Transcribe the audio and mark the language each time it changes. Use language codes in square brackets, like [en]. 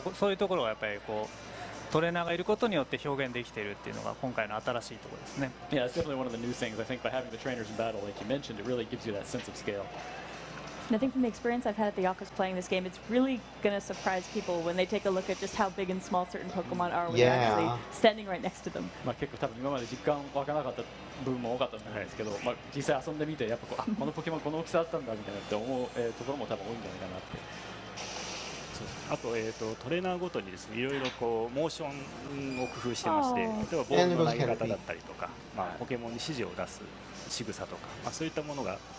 [ja] そういうところはやっぱりこうトレーナーがいることによって表現できているっていうのが今回の新しいところですね。 [en] Yeah, it's definitely one of the new things. I think by having the trainers in battle, like you mentioned, it really gives you that sense of scale. Nothing from the experience I've had at the office playing this game. It's really going to surprise people when they take a look at just how big and small certain Pokemon are when you're actually standing right next to them. [ja] まあ結構多分今まで実感わからなかった部分も多かったんじゃないですけど、まあ実際遊んでみてやっぱこうこのポケモンこの大きさだったんだみたいなって思うところも多分多いんじゃないかなって。そうです。あとトレーナーごとにですね、いろいろこうモーションを工夫してまして、例えばボールの投げ方だったりとか、まあポケモンに指示を出す仕草とか、まあそういったものが